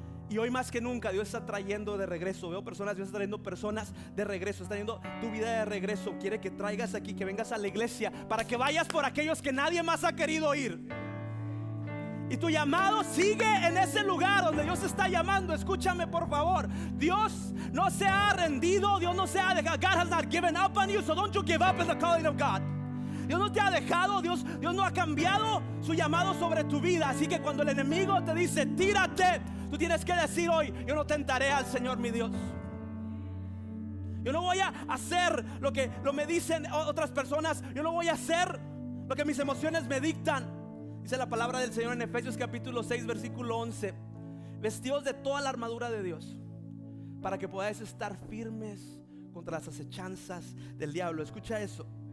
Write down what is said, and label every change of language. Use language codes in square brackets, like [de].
[es] Y hoy más que nunca Dios está trayendo de regreso. Veo personas, Dios está trayendo personas de regreso. Está trayendo tu vida de regreso. Quiere que traigas aquí, que vengas a la iglesia, para que vayas por aquellos que nadie más ha querido ir. Y tu llamado sigue en ese lugar donde Dios está llamando. Escúchame, por favor. Dios no se ha rendido. Dios no se ha dejado. [en] God has not given up on you, so don't you give up in the calling of God. [es] Dios no te ha dejado. Dios no ha cambiado su llamado sobre tu vida. Así que cuando el enemigo te dice tírate, tú tienes que decir hoy: yo no tentaré al Señor mi Dios. Yo no voy a hacer lo que me dicen otras personas. Yo no voy a hacer lo que mis emociones me dictan. Dice la palabra del Señor en Efesios capítulo 6 versículo 11: vestíos de toda la armadura de Dios, para que podáis estar firmes contra las acechanzas del diablo. Escucha eso.